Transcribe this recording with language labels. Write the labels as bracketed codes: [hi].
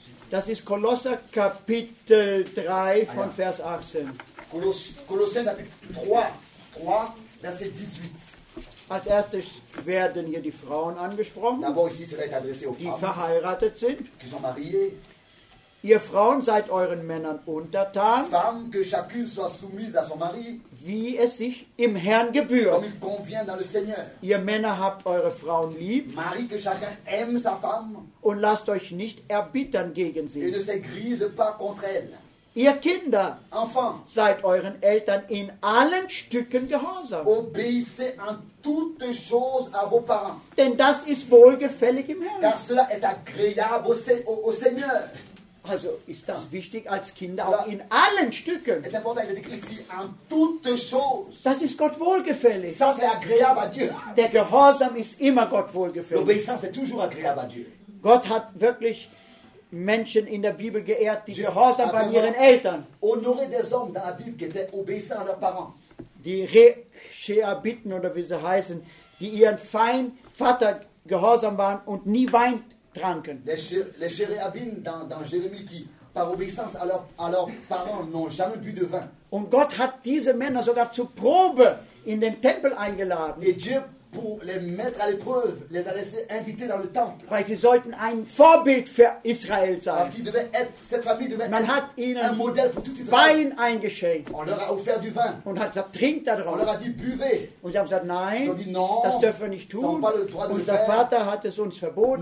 [de] Das ist Kolosser Kapitel 3 von Vers 18. [fr] Kolossiens chapitre 3. Verset 18. [de] Als erstes werden hier die Frauen angesprochen, [fr] ici, [de] Frauen, die verheiratet sind. [fr] Qui sont mariées. [de] Ihr Frauen seid euren Männern untertan, [fr] femmes, que chacune soit soumise à son mari, [de] wie es sich im Herrn gebührt. [fr] Comme il convient dans le Seigneur. [de] Ihr Männer habt eure Frauen lieb, [fr] Marie, que chacun aime sa femme, [de] und lasst euch nicht erbittern gegen sie. [fr] Et ne s'aigrise pas contre elle. [de] Ihr Kinder, [fr] enfants, [de] seid euren Eltern in allen Stücken gehorsam. [fr] Obéissez en toutes choses à vos parents. [de] Denn das ist wohlgefällig im Herrn. [fr] Car cela est agréable au Seigneur. [de] Also ist das wichtig als Kinder auch in allen Stücken. [fr] Est important, il est écrit ici, en toutes choses. [de] Das ist Gott wohlgefällig. [fr] Ça, c'est agréable à Dieu. [de] Der Gehorsam ist immer Gott wohlgefällig. [fr] L'obéissance est toujours agréable à Dieu. [de] Gott hat wirklich Menschen in der Bibel geehrt, die gehorsam waren ihren Eltern. [fr] Honoré des hommes dans la Bible qui étaient obéissants à leurs parents. [de] Die Rechabiten oder wie sie heißen, die ihren Feind Vater gehorsam waren und nie Wein tranken. [fr] Les Jérémies dans Jérémie qui par obéissance à leurs parents n'ont jamais bu de vin. [de] Und Gott hat diese Männer sogar zur Probe in den Tempel eingeladen. [fr] Et Dieu pour les mettre à l'épreuve, les a laissé inviter dans le temple. [de] Weil sie sollten ein Vorbild für Israel sein. [fr] Parce qu'ils devaient être, cette famille devait [de] Man [fr] être [de] hat ihnen [fr] un modèle pour tout Israël. [de] Wein eingeschenkt. [fr] On leur a offert du vin. [de] Und hat gesagt, trinkt da drauf. [fr] On leur a dit, buvez. [de] Und sie haben gesagt, nein, [fr] ils ont dit, non, [de] das dürfen wir nicht tun. [fr] Pas le droit de [de] Unser [fr] le faire. [de] Vater hat es uns verboten.